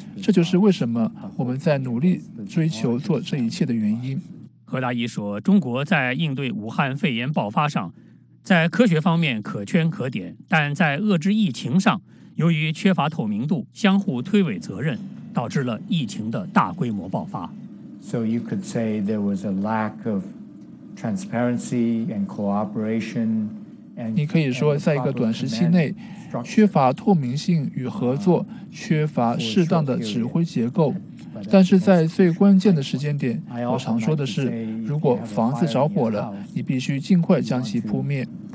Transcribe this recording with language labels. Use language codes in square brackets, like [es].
[zh] 这就是为什么我们在努力追求做这一切的原因。何大一说，中国在应对武汉肺炎爆发上，在科学方面可圈可点，但在遏制疫情上，由于缺乏透明度，相互推诿责任，导致了疫情的大规模爆发。 [en] So you could say there was a lack of transparency and cooperation. [zh] 你可以说，在一个短时期内，缺乏透明性与合作，缺乏适当的指挥结构。但是在最关键的时间点，我常说的是，如果房子着火了，你必须尽快将其扑灭。